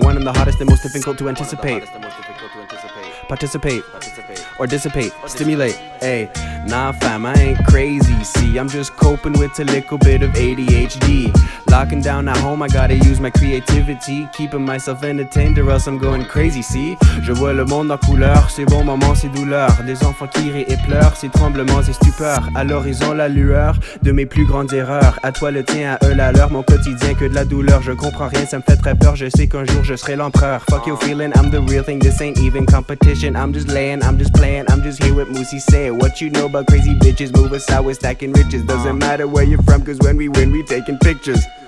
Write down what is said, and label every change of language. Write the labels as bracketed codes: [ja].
[en] One of the hardest and most difficult to anticipate. Participate, or dissipate, or stimulate, ay. Nah fam, I ain't crazy, see, I'm just coping with a little bit of ADHD. Locking down at home, I gotta use my creativity. Keeping myself entertained or else I'm going crazy, see. [fr] Je vois le monde en couleur, c'est bon moment, c'est douleur. Des enfants qui rient et pleurent, c'est tremblement, c'est stupeur. À l'horizon, la lueur de mes plus grandes erreurs. À toi le tien, à eux la leur, mon quotidien que de la douleur. Je comprends rien, ça me fait très peur, je sais qu'un jour je serai l'empereur. [en] Fuck your feeling, I'm the real thing, this ain't even competition. I'm just laying, I'm just playing, I'm just here with Moosey say. What you know about crazy bitches, move us out, we're stacking riches. Doesn't matter where you're from, cause when we win, we taking pictures.